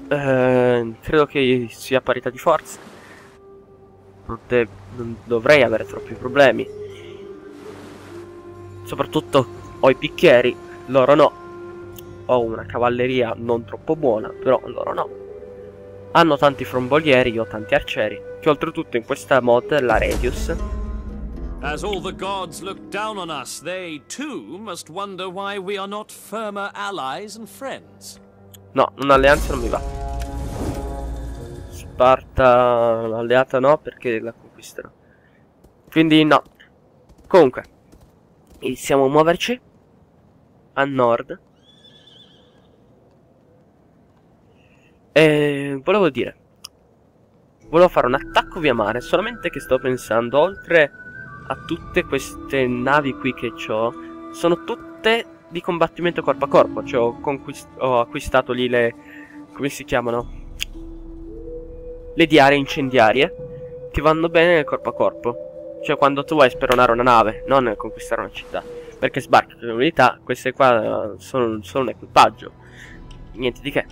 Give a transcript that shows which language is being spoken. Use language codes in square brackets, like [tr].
[it] Credo che sia parità di forze. Non dovrei avere troppi problemi. Soprattutto ho i picchieri, loro no. Ho una cavalleria non troppo buona, però loro no. Hanno tanti frombolieri, io ho tanti arcieri. Che oltretutto in questa mod la Radius. [en] As all the gods look down on us, they too must wonder why we are not firmer allies and friends. [it] No, un'alleanza non mi va. Sparta, l'alleata no, perché la conquisterò. Quindi no. Comunque, iniziamo a muoverci a nord. E volevo dire, volevo fare un attacco via mare, solamente che sto pensando, oltre a tutte queste navi qui che ho, sono tutte di combattimento corpo a corpo, cioè ho acquistato lì le, come si chiamano, le diarie incendiarie, che vanno bene nel corpo a corpo, cioè quando tu vuoi speronare una nave, non conquistare una città, perché sbarca le unità, queste qua sono un equipaggio. Niente di che.